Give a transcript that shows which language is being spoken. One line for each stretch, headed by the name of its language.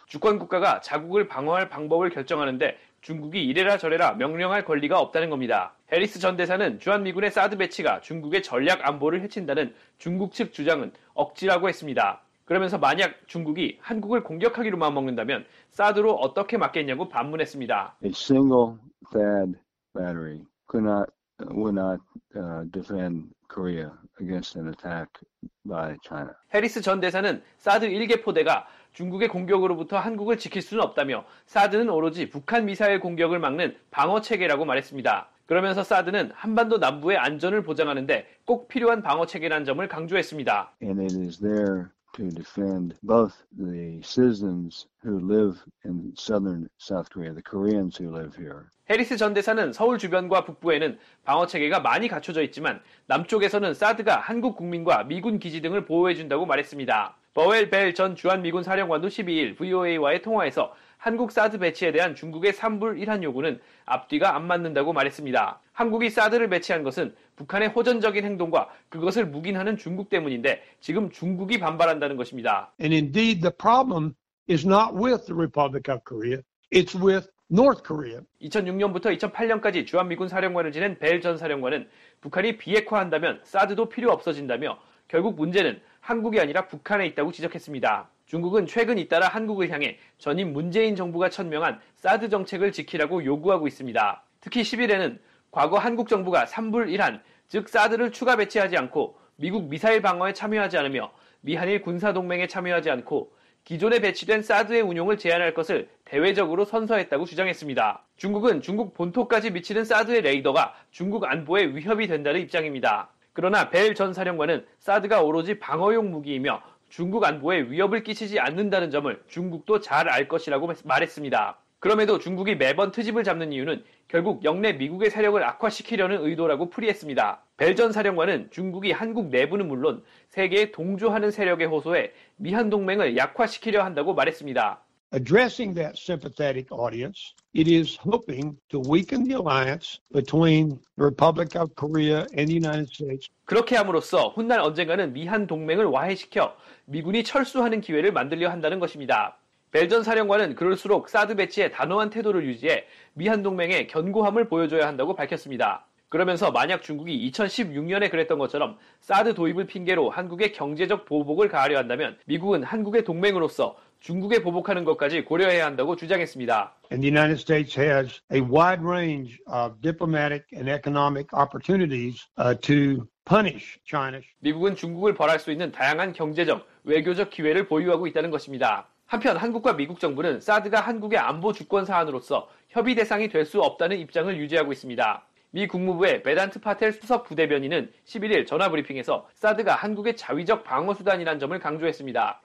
Korean: 주권 국가가 자국을 방어할 방법을 결정하는데 중국이 이래라 저래라 명령할 권리가 없다는 겁니다. 해리스 전 대사는 주한미군의 사드 배치가 중국의 전략 안보를 해친다는 중국 측 주장은 억지라고 했습니다. 그러면서 만약 중국이 한국을 공격하기로 마음먹는다면 사드로 어떻게 막겠냐고 반문했습니다.
English: A single THAAD battery would not defend Korea against an attack by China.
Korean: 해리스 전 대사는 사드 1개 포대가 중국의 공격으로부터 한국을 지킬 수는 없다며 사드는 오로지 북한 미사일 공격을 막는 방어 체계라고 말했습니다. 그러면서 사드는 한반도 남부의 안전을 보장하는데 꼭 필요한 방어 체계라는 점을 강조했습니다.
English: And it is there to defend both the citizens who live in southern South Korea, the Koreans who live here.
Korean: 해리스 전 대사는 서울 주변과 북부에는 방어 체계가 많이 갖춰져 있지만 남쪽에서는 사드가 한국 국민과 미군 기지 등을 보호해 준다고 말했습니다. 버웰 벨 전 주한미군 사령관도 12일 VOA와의 통화에서 한국 사드 배치에 대한 중국의 3불 1한 요구는 앞뒤가 안 맞는다고 말했습니다. 한국이 사드를 배치한 것은 북한의 호전적인 행동과 그것을 묵인하는 중국 때문인데 지금 중국이 반발한다는 것입니다.
English: And indeed the problem is not with the Republic of Korea. It's with North Korea.
Korean: 2006년부터 2008년까지 주한미군 사령관을 지낸 벨 전 사령관은 북한이 비핵화한다면 사드도 필요 없어진다며 결국 문제는 한국이 아니라 북한에 있다고 지적했습니다. 중국은 최근 잇따라 한국을 향해 전임 문재인 정부가 천명한 사드 정책을 지키라고 요구하고 있습니다. 특히 10일에는 과거 한국 정부가 3불 1한, 즉 사드를 추가 배치하지 않고 미국 미사일 방어에 참여하지 않으며 미한일 군사동맹에 참여하지 않고 기존에 배치된 사드의 운용을 제한할 것을 대외적으로 선서했다고 주장했습니다. 중국은 중국 본토까지 미치는 사드의 레이더가 중국 안보에 위협이 된다는 입장입니다. 그러나 벨 전 사령관은 사드가 오로지 방어용 무기이며 중국 안보에 위협을 끼치지 않는다는 점을 중국도 잘 알 것이라고 말했습니다. 그럼에도 중국이 매번 트집을 잡는 이유는 결국 역내 미국의 세력을 악화시키려는 의도라고 풀이했습니다. 벨 전 사령관은 중국이 한국 내부는 물론 세계에 동조하는 세력의 호소에 미한 동맹을 약화시키려 한다고 말했습니다.
English: Addressing that sympathetic audience, it is hoping to weaken the alliance between the Republic of Korea and the United States.
Korean: 그렇게 함으로써 훗날 언젠가는 미한 동맹을 와해시켜 미군이 철수하는 기회를 만들려 한다는 것입니다. 벨 전 사령관은 그럴수록 사드 배치에 단호한 태도를 유지해 미한 동맹의 견고함을 보여줘야 한다고 밝혔습니다. 그러면서 만약 중국이 2016년에 그랬던 것처럼 사드 도입을 핑계로 한국의 경제적 보복을 가하려 한다면 미국은 한국의 동맹으로서 중국에 보복하는 것까지 고려해야 한다고 주장했습니다.
English: And the United States has a wide range of diplomatic and economic opportunities to punish China.
Korean: 미국은 중국을 벌할 수 있는 다양한 경제적, 외교적 기회를 보유하고 있다는 것입니다. 한편 한국과 미국 정부는 사드가 한국의 안보 주권 사안으로서 협의 대상이 될 수 없다는 입장을 유지하고 있습니다. 미 국무부의 베단트 파텔 수석 부대변인은 11일 전화 브리핑에서 사드가 한국의 자위적 방어수단이라는 점을 강조했습니다.